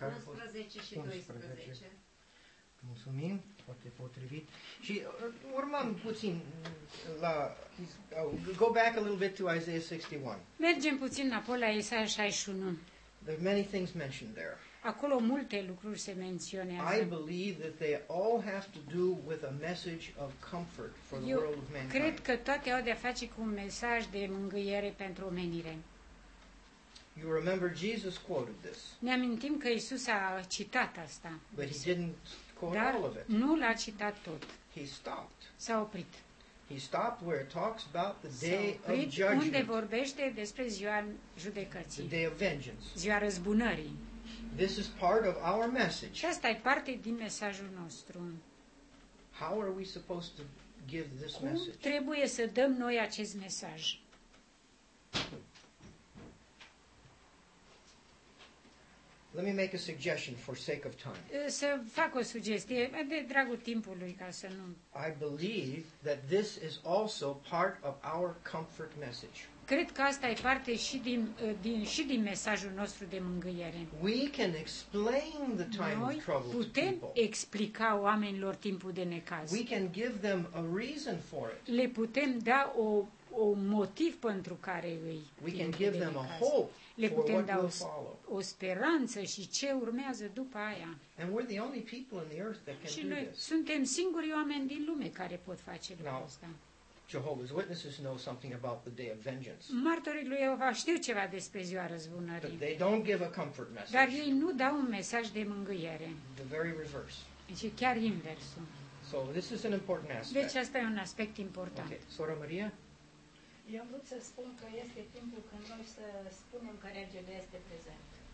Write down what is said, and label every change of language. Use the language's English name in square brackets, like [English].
[Romanian] 11 și 12. Mulțumim, foarte potrivit. Și urmăm puțin la... [English] go back a little bit to Isaiah 61. [Romanian] Mergem puțin înapoi la Isaia 61. [English] There are many things mentioned there. [Romanian] Acolo multe lucruri se menționează. [English] I believe that they all have to do with a message of comfort for the world of mankind. [Romanian] Cred că toate au de-a face cu un mesaj de mângâiere pentru omenire. [English] You remember Jesus quoted this. [Romanian] Ne amintim că Iisus a citat asta. [English] But he didn't quote [Romanian] dar [English] all of it. [Romanian] Nu l-a citat tot. [English] He stopped. [Romanian] S-a oprit. [English] He stopped where it talks about the day of judgment. [Romanian] Unde vorbește despre ziua judecății. [English] The day of vengeance. [Romanian] Ziua răzbunării. [English] This is part of our message. [Romanian] Și asta e parte din mesajul nostru. [English] How are we supposed to give this [Romanian] cum [English] message? [Romanian] Trebuie să dăm noi acest mesaj. [English] Let me make a suggestion for sake of time. [Romanian] Să fac o sugestie de dragul timpului ca să nu. [English] I believe that this is also part of our comfort message. [Romanian] Cred că asta e parte și din din mesajul nostru de mângâiere. [English] We can explain the time of trouble. [Romanian] Putem explica oamenilor timpul de necaz. [English] We can give them a reason for it. [Romanian] Le putem da o motiv pentru care îi [English] we can give them a hope. [Romanian] Le putem da o speranță și ce urmează după aia. [English] And we're the only people in the earth that can [Romanian] și noi suntem singurii oameni din lume care pot face lucrul ăsta. [English] Jehovah's Witnesses know something about the day of vengeance. [Romanian] Martorii lui Iehova știu ceva despre ziua răzbunării. [English] But they don't give a comfort message. [Romanian] Dar ei nu dau un mesaj de mângâiere. [English] The very reverse. [Romanian] Deci chiar inversul. [English] So this is an important aspect. [Romanian] Deci asta e un aspect important. [English] Okay. Sora Maria? [Romanian] Eu am vrut să spun că este timpul când noi să spunem că regele este prezent.